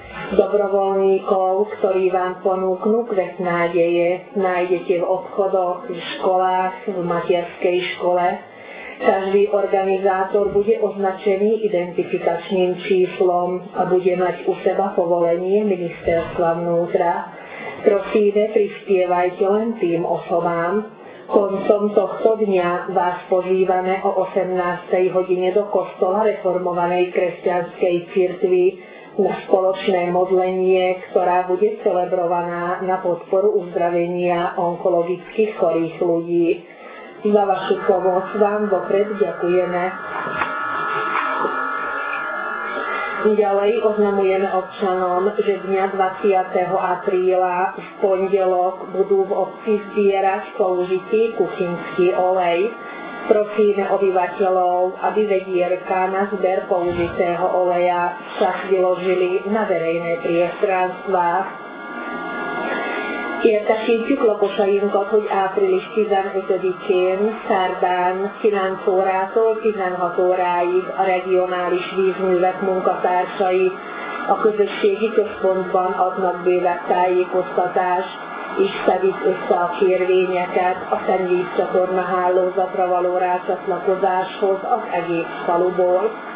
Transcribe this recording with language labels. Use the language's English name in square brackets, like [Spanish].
[Slovak] Dobrovoľníkov, ktorí vám ponúknú kvet nádeje, nájdete v obchodoch, v školách, v materskej škole. Každý organizátor bude označený identifikačným číslom a bude mať u seba povolenie ministerstva vnútra. Prosíme, prispievajte len tým osobám. Koncom tohto dňa vás pozývame o 18. hodine do kostola reformovanej kresťanskej cirkvi na spoločné modlenie, ktorá bude celebrovaná na podporu uzdravenia onkologických chorých ľudí. Za vašu pomoc vám vopred ďakujeme. Ďalej oznamujeme občanom, že dňa 20. apríla v pondelok budú v obci zbierať použitý kuchynský olej. Prosíme obyvateľov, aby vedierka na zber použitého oleja však vyložili na verejné priestranstvá. [Hungarian] Értesítjük lakosainkat, hogy április 15-én szerdán 9 órától 16 óráig a regionális vízművek munkatársai a közösségi központban adnak bővebb tájékoztatást és szedik össze a kérvényeket a szennyvízcsatorna hálózatra való rácsatlakozáshoz az egész faluból.